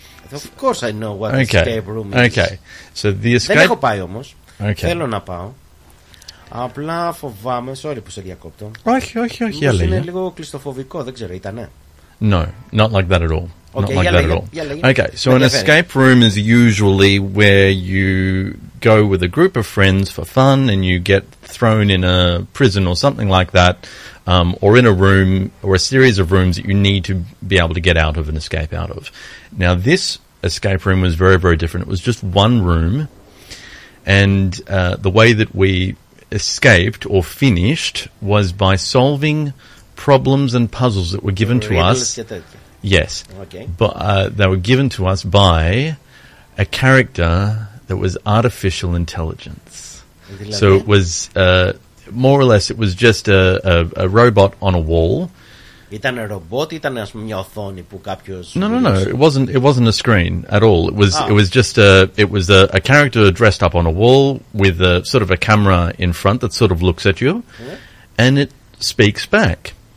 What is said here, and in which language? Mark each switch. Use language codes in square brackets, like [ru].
[en] Of course, I know what escape room is. Okay. So the escape. [el] Δεν έχω πάει όμως. [en] Okay. [el] Θέλω να πάω. Απλά φοβάμαι, [en] sorry [el] που σε διακόπτω. Όχι, είναι λίγο κλειστοφοβικό, δεν ξέρω, ήτανε. [en] No, not like that at all. Okay, not like that at all. Yeah, okay, so an escape room is usually where you go with a group of friends for fun and you get thrown in a prison or something like that, or in a room or a series of rooms that you need to be able to get out of and escape out of. Now, this escape room was very, very different. It was just one room. And the way that we escaped or finished was by solving problems and puzzles that were given to us. Yes. Okay. But they were given to us by a character that was artificial intelligence. So it was more or less, it was just a robot on a wall. [el] Ήταν ρομπότ, ήταν ας πούμε μια οθόνη που κάποιος... [en] No. It wasn't a screen at all. It was a character dressed up on a wall with a sort of a camera in front that sort of looks at you, and it speaks back.